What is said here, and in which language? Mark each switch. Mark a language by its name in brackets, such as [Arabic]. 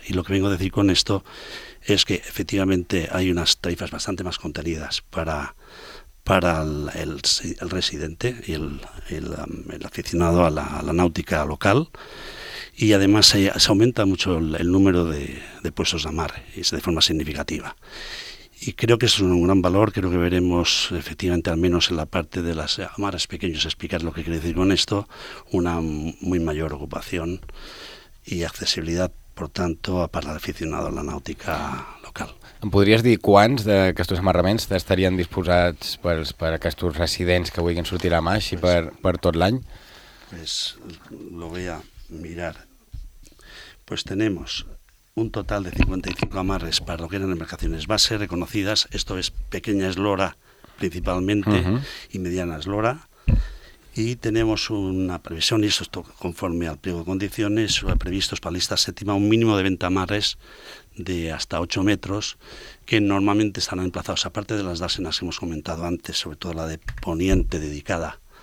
[Spanish] Y lo que vengo a decir con esto es que efectivamente hay unas tarifas bastante más contenidas para el residente y el aficionado a la náutica local, y además se aumenta mucho el número de puestos de amarre, y de forma significativa. Y creo que es un gran valor. Creo que veremos efectivamente, al menos en la parte de las amarres pequeños, explicar lo que quiere decir con esto, una muy mayor ocupación y accesibilidad, por tanto, para el aficionado a la náutica local. [Catalan] Em podries dir quants d'aquests amarraments estarien disposats per aquests residents que vulguin sortir a mà així per tot l'any? [Spanish] Pues lo voy a mirar. Pues tenemos un total de 55 amarres para lo que eran embarcaciones base reconocidas. Esto es pequeña eslora principalmente y mediana eslora. Y tenemos una previsión, y esto conforme al pliego de condiciones, previstos para lista séptima un mínimo de 20 amarres de hasta 8 metros, que normalmente estarán emplazados, aparte de las dársenas que hemos comentado antes, sobre todo la de Poniente dedicada